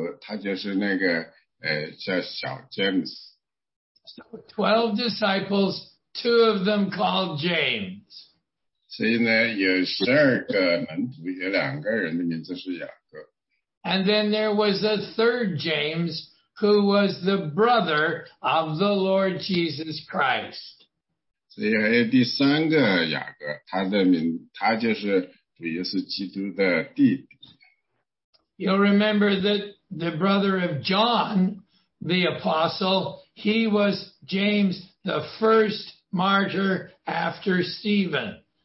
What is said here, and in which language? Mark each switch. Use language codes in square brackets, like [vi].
[zh] 所以呢，另外还有一个呢，就是也是叫雅各。雅各呢，他也是主的一个门徒，他就是那个叫小James。 [en] So 12 disciples, two of them called James. [zh] 所以呢，有12个门徒，有2个人的名字是雅各。 [en] And then there was a third James, who was the brother of the Lord Jesus Christ. [zh] 所以还有第三个雅各，他就是主耶稣基督的弟弟。 [en] You'll remember that the brother of John, the apostle, he was James, the first martyr after Stephen.